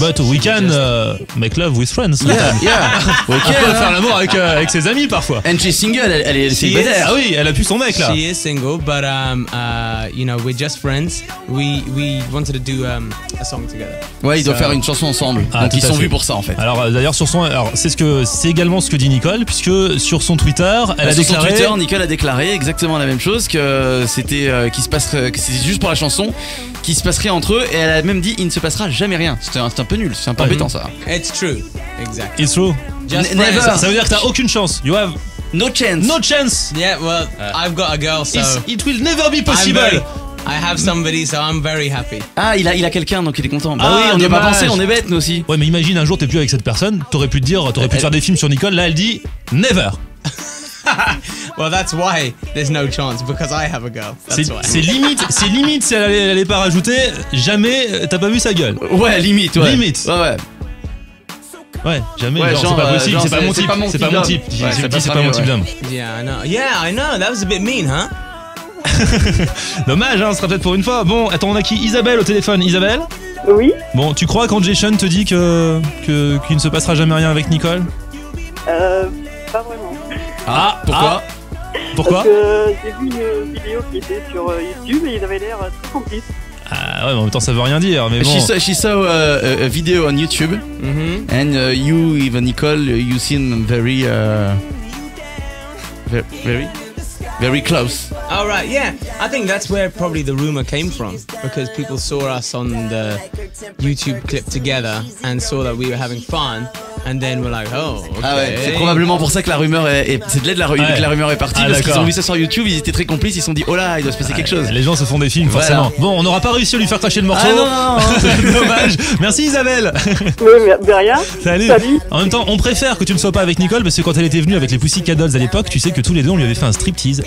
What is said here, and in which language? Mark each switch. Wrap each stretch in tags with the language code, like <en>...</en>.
<en>But we She's can make love with friends. Yeah.</en> <fr>On peut faire l'amour avec ses amis parfois.</fr> <en>And she's single.</en> <fr>Elle est célibataire. Ah oui, elle a pu son mec là.</fr> <en>She is single, but you know, we're just friends. We wanted to do a song together.</en> <fr>Ouais, ils doivent faire une chanson ensemble. Ah, donc ils sont vus pour ça en fait. Alors d'ailleurs sur son, alors c'est également ce que dit Nicole, puisque sur son Twitter, elle a déclaré. Sur son Twitter, Nicole a déclaré exactement la même chose, que c'était qui se passerait, que c'est juste pour la chanson, qui se passerait entre eux, et elle a même dit il ne se passera jamais rien. C'est un peu nul, c'est un peu embêtant ça.</fr> <en>It's true, exactly. It's true. Never.</en> <fr>Ça veut dire que t'as aucune chance.</fr> <en>You have no chance. No chance. Yeah, well, I've got a girl, so it will never be possible. I have somebody, so I'm very happy.</en> <fr>Ah, il a quelqu'un, donc il est content. Bah oui, on n'y a pas pensé, on est bêtes nous aussi. Ouais, mais imagine un jour t'es plus avec cette personne, t'aurais pu te dire, t'aurais pu te faire des films sur Nicole. Là, elle dit never.</fr> <en>Well, that's why there's no chance, because I have a girl. That's</en> <fr>c'est,</fr> <en>why.</en> <fr>C'est limite si elle allait pas rajouter, jamais t'as pas vu sa gueule. Ouais, limite, ouais. Limite. Ouais. Jamais, ouais, genre, c'est pas possible, genre, c'est pas mon type. C'est pas mon type d'homme.</fr> <en>Yeah, I know, that was a bit mean, huh?</en> <fr>Dommage, hein, ce sera peut-être pour une fois. Bon, attends, on a qui? Isabelle au téléphone. Isabelle? Oui. Bon, tu crois quand Jason te dit que qu'il ne se passera jamais rien avec Nicole? Pas vraiment. Ah, pourquoi? Pourquoi? Parce que j'ai vu une vidéo qui était sur YouTube et ils avaient l'air très complices. Ah ouais, mais en même temps ça veut rien dire, mais bon.</fr> <en>She saw a video on YouTube. Mm-hmm. And you, even Nicole, you seem very very very close. All right, yeah. I think that's where probably the rumor came from, because people saw us on the YouTube clip together and saw that we were having fun. And then we're like, oh, okay.</en> <fr>Ah ouais, c'est probablement pour ça que la rumeur est c'est de là ouais. Que la rumeur est partie, ah, parce d'accord. Qu'ils ont vu ça sur YouTube, ils étaient très complices, ils se sont dit, oh là, il doit se passer quelque chose. Les gens se font des films, voilà. Forcément. Bon, on n'aura pas réussi à lui faire cracher le morceau. Ah non. Dommage. Merci Isabelle. Mais de rien. Salut. En même temps, on préfère que tu ne sois pas avec Nicole, parce que quand elle était venue avec les Pussycat Dolls à l'époque, tu sais que tous les deux on lui avait fait un striptease.</fr>